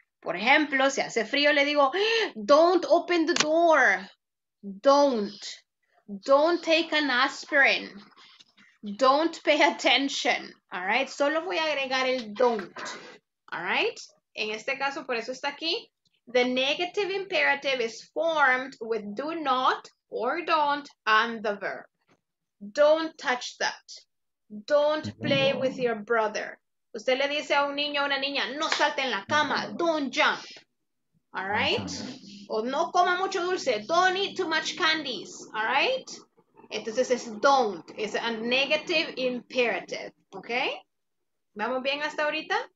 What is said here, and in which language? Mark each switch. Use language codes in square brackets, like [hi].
[es] Por ejemplo, si hace frío, le digo, [en] don't open the door. Don't take an aspirin. Don't pay attention. All right, [es] solo voy a agregar el don't. [en] All right, [es] en este caso, por eso está aquí. [en] The negative imperative is formed with do not or don't and the verb. Don't touch that. Don't play with your brother. [es] Usted le dice a un niño o una niña, no salte en la cama. [en] Don't jump. All right? [es] O no coma mucho dulce. [en] Don't eat too much candies. All right? [es] Entonces es don't. [en] It's a negative imperative. Okay? [es] ¿Vamos bien hasta ahorita?